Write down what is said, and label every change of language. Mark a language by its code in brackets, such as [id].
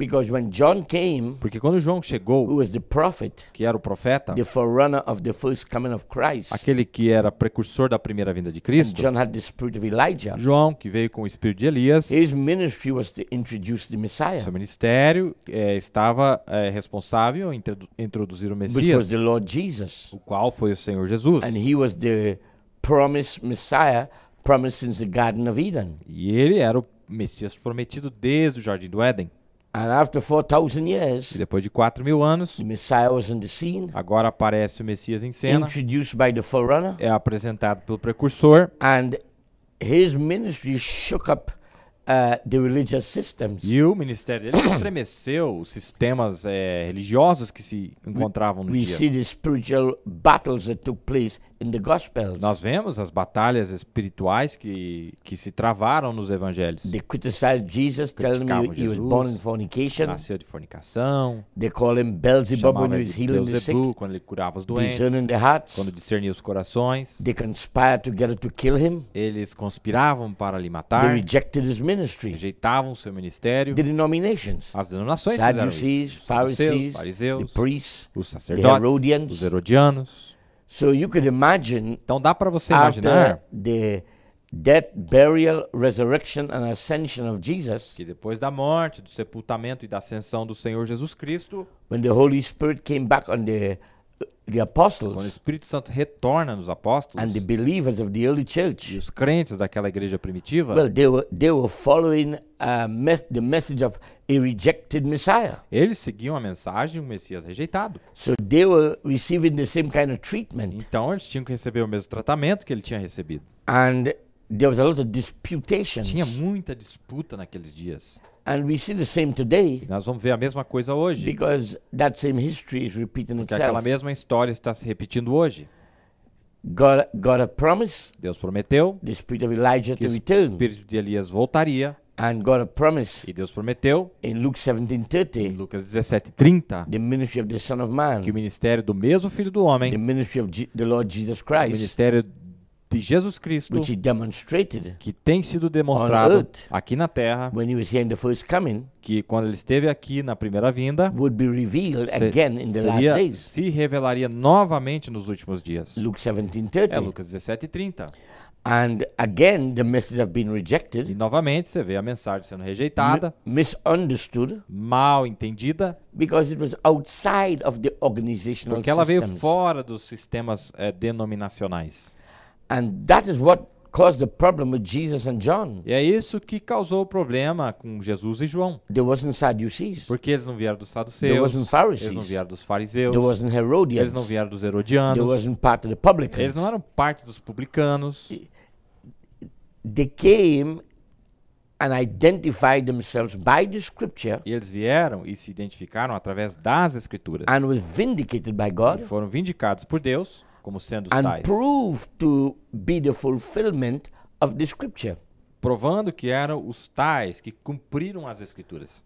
[en] Because when John came, [pt] porque quando João chegou, [en] who was the prophet, [pt] que era o profeta, [en] the forerunner of the first coming of Christ, [pt] aquele que era precursor da primeira vinda de Cristo, [en] and John had the spirit of Elijah, [pt] João, que veio com o espírito de Elias, [en] his ministry was to introduce the Messiah. [pt] Seu ministério estava responsável em introduzir o Messias, [en] which was the Lord Jesus, [pt] o qual foi o Senhor Jesus. [en] And he was the promised Messiah, promised since the Garden of Eden. [pt] E ele era o Messias prometido desde o Jardim do Éden. [en] And after 4,000 years, [pt] e depois de 4,000 anos, [en] the Messiah was in the scene, [pt] agora aparece o Messias em cena, [en] introduced by the forerunner, [pt] é apresentado pelo precursor, [en] and his ministry shook up the religious systems. [pt] E o ministério dele estremeceu os sistemas religiosos que se encontravam no [en] we [pt] dia. [en] See the spiritual battles that took place in the gospels. [pt] Nós vemos as batalhas espirituais que se travaram nos evangelhos. [en] They criticized Jesus, telling him he was born in fornication. [pt] Nasceu de fornicação. [en] They call him Beelzebub when he was healing the sick. [pt] Quando ele curava os doentes. [en] Discerning the hearts. [pt] Quando discernia os corações. [en] They conspired together to kill him. [pt] Eles conspiravam para lhe matar. [en] They rejected his ministry. [pt] Rejeitavam seu ministério. [en] The denominations. [pt] As denominações. [en] Sadducees, Pharisees, [pt] fariseus, [en] the priests, [pt] os sacerdotes, os herodianos. [en] So you could imagine, [pt] então dá para você imaginar, [en] the death, burial, resurrection and ascension of Jesus, [pt] que depois da morte, do sepultamento e da ascensão do Senhor Jesus Cristo, [en] when the Holy Spirit came back on the the apostles, [pt] quando o Espírito Santo retorna nos apóstolos, [en] and the believers of the early church, [pt] e os crentes daquela igreja primitiva, [en] well, they were following the message of a rejected Messiah. [pt] Eles seguiam a mensagem de um Messias rejeitado. [en] So they were receiving the same kind of treatment. [pt] Então eles tinham que receber o mesmo tratamento que ele tinha recebido. [en] And there was a lot of disputations. [pt] Tinha muita disputa naqueles dias. [en] And we see the same today. [pt] Nós vamos ver a mesma coisa hoje. [en] Because that same history is repeating itself. [pt] Porque aquela mesma história está se repetindo hoje. [en] God had promised. [pt] Deus prometeu. [en] The spirit of Elijah to return. [pt] O espírito de Elias voltaria. [en] And God had promised. [pt] E Deus prometeu. [en] In Luke 17:30. [pt] Em Lucas 17:30. [en] The ministry of the Son of Man. [pt] Que o ministério do mesmo Filho do Homem. [en] The ministry of the Lord Jesus Christ. [pt] O ministério de Jesus Cristo, [en] which he demonstrated, [pt] que tem sido demonstrado [en] earth, [pt] aqui na Terra, [en] when he was here in the first coming, [pt] que quando ele esteve aqui na primeira vinda, [en] would be revealed again in the last days. [pt] Se revelaria novamente nos últimos dias. [en] Luke 17:30. [pt] É Lucas 17:30. [en] And again, the message has been rejected. [pt] E novamente você vê a mensagem sendo rejeitada, [en] misunderstood, [pt] mal entendida, [en] because it was outside of the organizational [pt] porque ela [en] systems. [pt] Veio fora dos sistemas denominacionais. [en] And that is what caused the problem with Jesus and John. [pt] E é isso que causou o problema com Jesus e João. [en] They wasn't Sadducees. [pt] Porque eles não vieram dos saduceus. [en] They wasn't Pharisees. [pt] Eles não vieram dos fariseus. [en] They wasn't Herodians. [pt] Eles não vieram dos herodianos. [en] They wasn't part of the publicans. [pt] Eles não eram parte dos publicanos. [en] They came and identified themselves by the scripture. [pt] E eles vieram e se identificaram através das escrituras. [en] And were vindicated by God. [pt] E foram vindicados por Deus. Como sendo [en] and [pt] tais. [en] Prove to be the fulfillment of the scripture. [pt] Provando que eram os tais que cumpriram as escrituras.